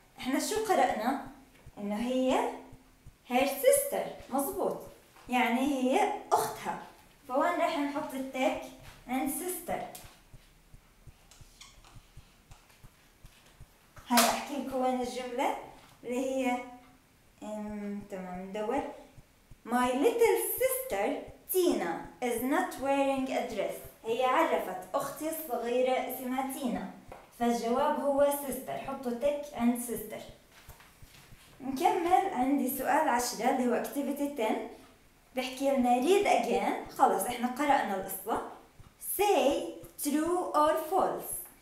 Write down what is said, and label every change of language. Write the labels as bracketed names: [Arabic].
[Arabic] احنا شو قرأنا؟ انه هي [English] her sister, [Arabic] مظبوط، يعني هي اختها. فوين راح نحط التك؟ عند سيستر. هلا احكي لكم وين الجمله اللي هي تمام. [English] ندور my little sister Tina is not wearing a dress. [Arabic] هي عرفت اختي الصغيره اسمها تينا، فالجواب هو سيستر. حطوا تك عند سيستر. نكمل. عندي سؤال 10 اللي هو [English] activity 10، [Arabic] بحكي لنا [English] read again. [Arabic] خلص احنا قرأنا القصة. [English] say true or false.